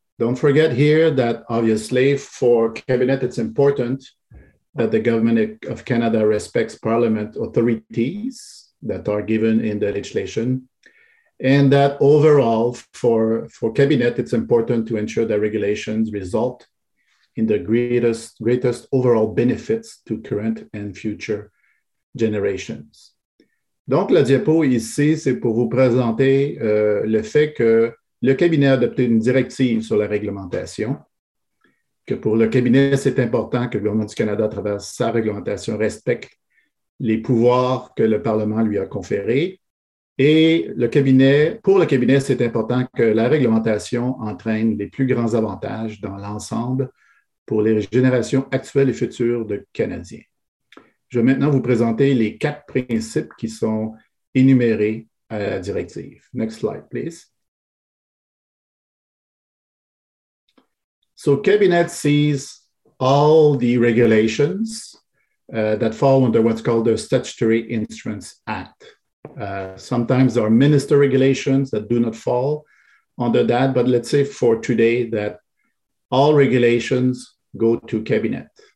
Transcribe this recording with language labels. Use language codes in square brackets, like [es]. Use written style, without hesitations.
[en] Don't forget here that obviously for Cabinet, it's important that the Government of Canada respects Parliament authorities that are given in the legislation, and that overall for Cabinet, it's important to ensure that regulations result in the greatest overall benefits to current and future generations. [fr] Donc, la diapo ici, c'est pour vous présenter le fait que le cabinet a adopté une directive sur la réglementation, que pour le cabinet, c'est important que le gouvernement du Canada, à travers sa réglementation, respecte les pouvoirs que le Parlement lui a conférés. Et pour le cabinet, c'est important que la réglementation entraîne les plus grands avantages dans l'ensemble pour les générations actuelles et futures de Canadiens. Je vais maintenant vous présenter les quatre principes qui sont énumérés à la directive. [en] Next slide, please. So, Cabinet sees all the regulations that fall under what's called the Statutory Instruments Act. Sometimes there are minister regulations that do not fall under that, but let's say for today that all regulations go to Cabinet.